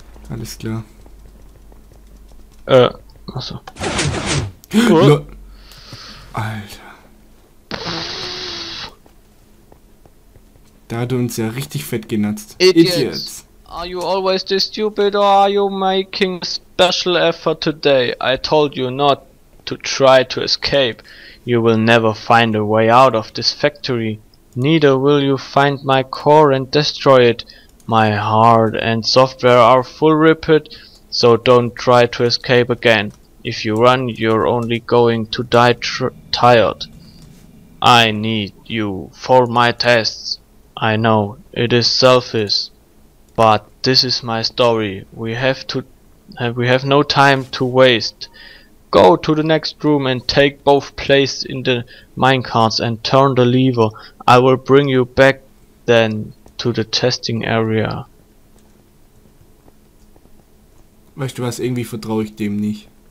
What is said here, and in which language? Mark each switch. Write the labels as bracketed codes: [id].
[de] Alles klar. Achso. Alter. Da hat er uns ja richtig fett genutzt. [en] Idiots. Are you always this stupid or are you making special effort today? I told you not to try to escape. You will never find a way out of this factory. Neither will you find my core and destroy it. My heart and software are full ripped, so don't try to escape again. If you run, you're only going to die tired. I need you for my tests. I know it is selfish, but this is my story. We have no time to waste. Go to the next room and take both places in the minecarts and turn the lever. I will bring you back then to the testing area. [de] Weißt du was, irgendwie vertraue ich dem nicht.